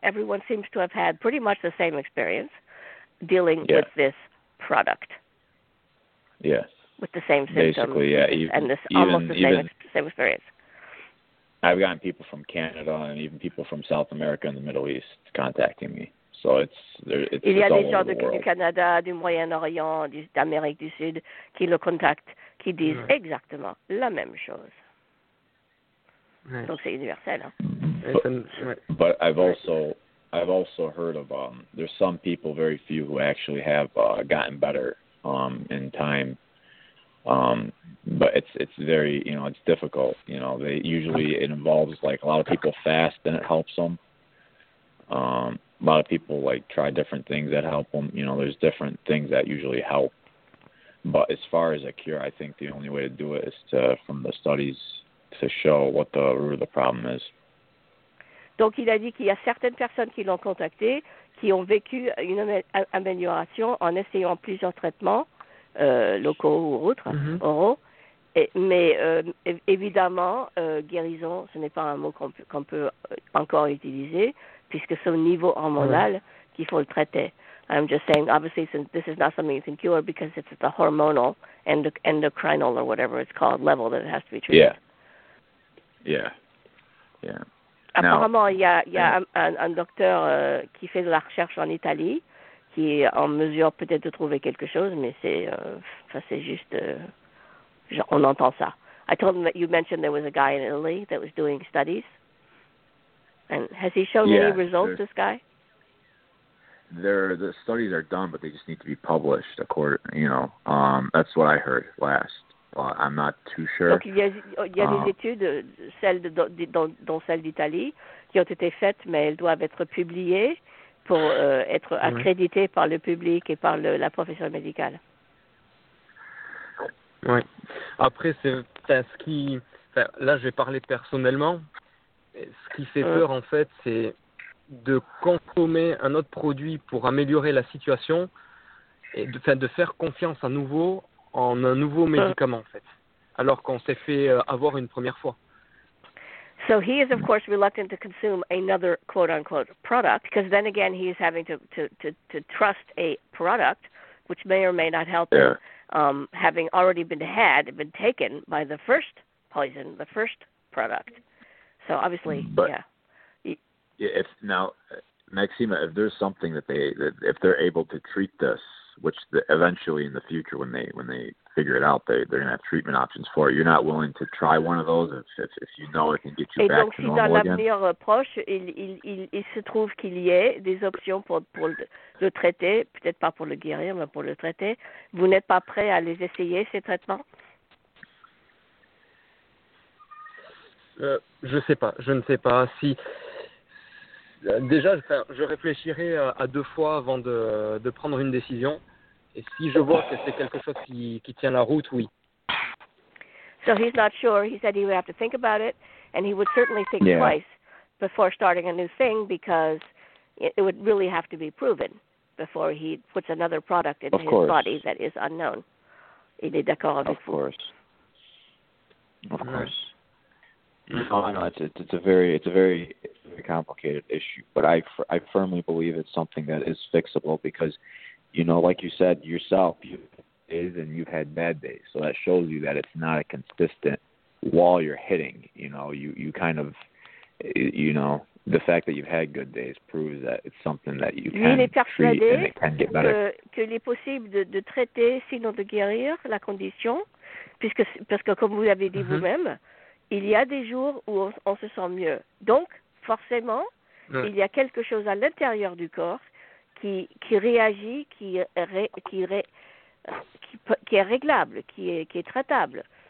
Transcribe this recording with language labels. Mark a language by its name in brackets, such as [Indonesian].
[English] Everyone seems to have had pretty much the same experience dealing yeah. with this product. Yes. With the same symptoms. Basically, yeah. Almost the same experience. I've gotten people from Canada and even people from South America and the Middle East contacting me. So [French] il y a [English] all [French] des [English] all [French] gens [English] the [French] du Canada, du Moyen-Orient, d'Amérique du Sud qui le contactent. Qui disent ouais. exactement la même chose. Ouais. Donc c'est universel. Hein? [English] But I've also heard of there's some people, very few, who actually have gotten better in time. But it's very, you know, it's difficult. You know, they usually it involves like a lot of people fast and it helps them. A lot of people like try different things that help them. You know, there's different things that usually help. But as far as a cure, I think the only way to do it is to, from the studies, to show what the root of the problem is. [French] Donc, il a dit qu'il y a certaines personnes qui l'ont contacté, qui ont vécu une amélioration en essayant plusieurs traitements, locaux ou autres, mm-hmm. oraux. Mais évidemment, guérison, ce n'est pas un mot qu'on peut encore utiliser, puisque c'est au niveau hormonal mm-hmm. qu'il faut le traiter. [English] I'm just saying, obviously, this is not something you can cure because it's at the hormonal, endocrinal, or whatever it's called, level that it has to be treated. Yeah. Yeah. Yeah. [French] Apparemment, il y a un docteur qui fait de la recherche en Italie, qui est en mesure peut-être de trouver quelque chose, mais c'est juste, on entend ça. [English] I told him that you mentioned there was a guy in Italy that was doing studies. And has he shown yeah, any results, this guy? The studies are done, but they just need to be published. That's what I heard last. I'm not too sure. [French] Donc il y a des études, celles d'Italie, qui ont été faites, mais elles doivent être publiées pour être accréditées ouais. par le public et par la profession médicale. Oui. Après, je vais parler personnellement. Ce qui fait peur, en fait, c'est de consommer un autre produit pour améliorer la situation et de faire confiance à nouveau en un nouveau médicament, en fait, alors qu'on s'est fait avoir une première fois. [English] So he is, of course, reluctant to consume another quote-unquote product, because then again he is having to trust a product which may or may not help yeah. him, having already been taken by the first poison, the first product. So obviously, If there's something if they're able to treat this, which eventually in the future when they figure it out, they're going to have treatment options for it. You're not willing to try one of those if you know it can get you [French] et [English] back [French] donc, [English] to [French] si [English] normal [French] dans [English] again. [French] L'avenir proche, il se trouve qu'il y ait des options pour le traiter, peut-être pas pour le guérir, mais pour le traiter. Vous n'êtes pas prêt à les essayer, ces traitements? Je ne sais pas si... Déjà, je réfléchirai à deux fois avant de prendre une décision. Et si je vois que c'est quelque chose qui tient la route, oui. [English] So he's not sure. He said he would have to think about it. And he would certainly think yeah. twice before starting a new thing because it would really have to be proven. before he puts another product into his body that is unknown. [French] Il est d'accord avec vous. [English] Of course. Of course. No, it's a very complicated issue, but I firmly believe it's something that is fixable because, you know, like you said yourself, you is and you've had bad days, so that shows you that it's not a consistent wall you're hitting. You know, you kind of, you know, the fact that you've had good days proves that it's something that you can treat and it can get better. [French] Que il est possible de traiter sinon de guérir la condition, puisque comme vous l'avez dit mm-hmm. vous-même. Il y a des jours où on se sent mieux. Donc, forcément, il y a quelque chose à l'intérieur du corps qui réagit, qui est réglable, qui est traitable.